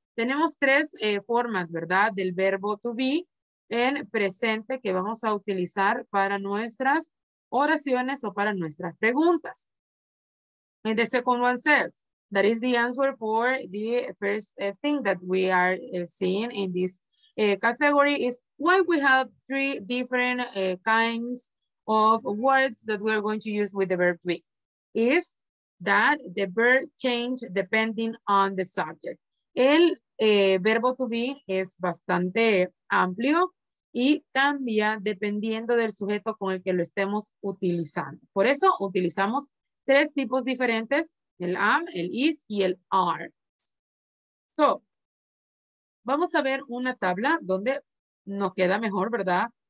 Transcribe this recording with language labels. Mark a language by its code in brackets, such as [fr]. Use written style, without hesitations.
[es] Tenemos tres formas, ¿verdad?, del verbo to be en presente que vamos a utilizar para nuestras oraciones o para nuestras preguntas. [en] And the second one says, that is the answer for the first thing that we are seeing in this category is why we have three different kinds of words that we are going to use with the verb to be. Is that the verb change depending on the subject. [es] El verbo to be es bastante amplio y cambia dependiendo del sujeto con el que lo estemos utilizando. Por eso utilizamos tres tipos diferentes, el am, el is y el are. So, vamos a ver una tabla donde nos queda mejor, ¿verdad?